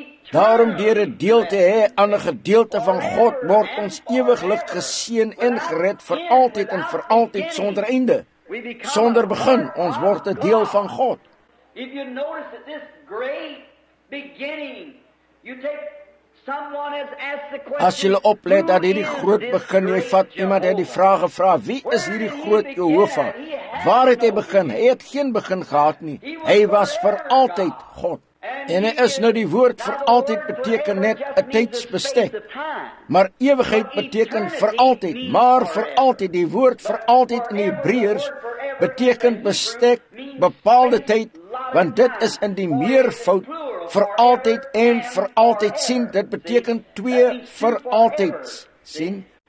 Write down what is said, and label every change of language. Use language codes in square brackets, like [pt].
[af] Daarom deur 'n deel te hê aan 'n gedeelte van God word ons ewiglik geseën en gered vir altyd en vir altyd sonder einde, sonder begin. Ons word 'n deel van God. [en] If you notice that this great beginning, you take someone has asked the question. [af] As jy oplet dat hierdie groot begin, jy vat iemand en die vraag gevra, wie is hierdie groot Jehovah? Waar het hy begin? Hy het geen begin gehad nie. Hy was vir altyd God. En hy is nou die woord vir altyd beteken net 'n tydsbestek. Maar ewigheid beteken vir altyd, maar vir altyd, die woord vir altyd in Hebreërs beteken bestek, bepaalde tyd, want dit is in die meervoud vir altyd en vir altyd sien, dit beteken twee vir altyd sien.